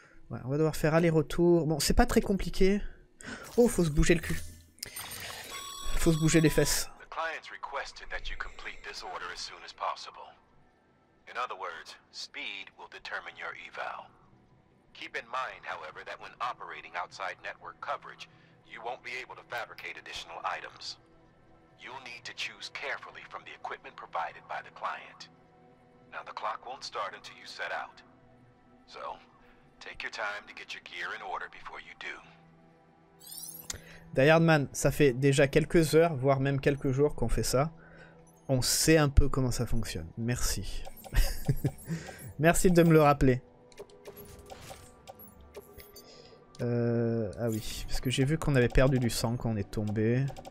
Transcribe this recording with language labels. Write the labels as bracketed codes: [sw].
[fr] Ouais, on va devoir faire aller-retour. Bon, c'est pas très compliqué. Oh, faut se bouger le cul. Faut se bouger les fesses. Le client a demandé que vous complétez cette ordre le plus vite possible. En d'autres mots, la speed va déterminer votre éval. [en] Keep in mind, however, that when operating outside network coverage, you won't be able to fabricate additional items. You'll need to choose carefully from the equipment provided by the client. Now, the clock won't start until you set out. So, take your time to get your gear in order before you do. [fr] Die Hard Man, ça fait déjà quelques heures, voire même quelques jours qu'on fait ça. On sait un peu comment ça fonctionne. Merci. Merci de me le rappeler. Ah oui, parce que j'ai vu qu'on avait perdu du sang quand on est tombé.